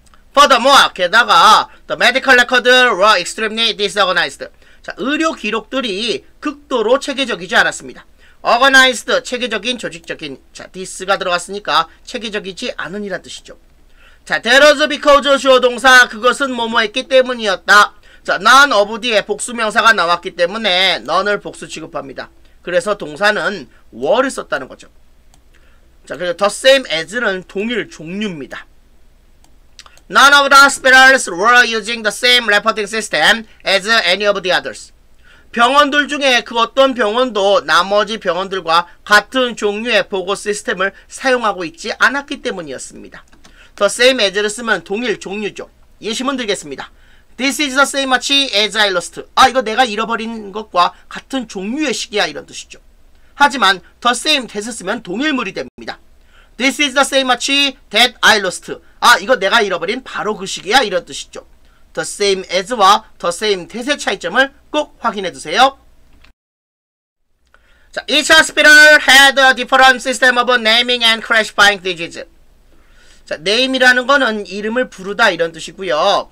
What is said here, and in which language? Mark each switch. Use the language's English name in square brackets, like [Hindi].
[English] Furthermore, [Korean] 게다가 [English] the medical records were extremely disorganized. [Korean] 자, 의료 기록들이 극도로 체계적이지 않았습니다. Organized, 체계적인, 조직적인. 자, this가 들어갔으니까 체계적이지 않은 이란 뜻이죠. 자, [English] there was because [Korean] 주어 동사, 그것은 뭐뭐 했기 때문이었다. 자, none of 뒤에 복수명사가 나왔기 때문에 none을 복수 취급합니다. 그래서 동사는 were를 썼다는 거죠. 자, 그리고 the same as는 동일 종류입니다. [English] None of the hospitals were using the same reporting system as any of the others. [Korean] 병원들 중에 그 어떤 병원도 나머지 병원들과 같은 종류의 보고 시스템을 사용하고 있지 않았기 때문이었습니다. The same as를 쓰면 동일 종류죠. 예시문 들겠습니다. [English] This is the same as as I lost. [Korean] 아, 이거 내가 잃어버린 것과 같은 종류의 시계야, 이런 뜻이죠. 하지만 the same that을 쓰면 동일물이 됩니다. [English] This is the same as that I lost. [Korean] 아, 이거 내가 잃어버린 바로 그 시계야, 이런 뜻이죠. The same as와 the same that의 차이점을 꼭 확인해두세요. [English] 자, each hospital had a different system of naming and classifying diseases. [Korean] 자, name이라는 거는 이름을 부르다 이런 뜻이고요.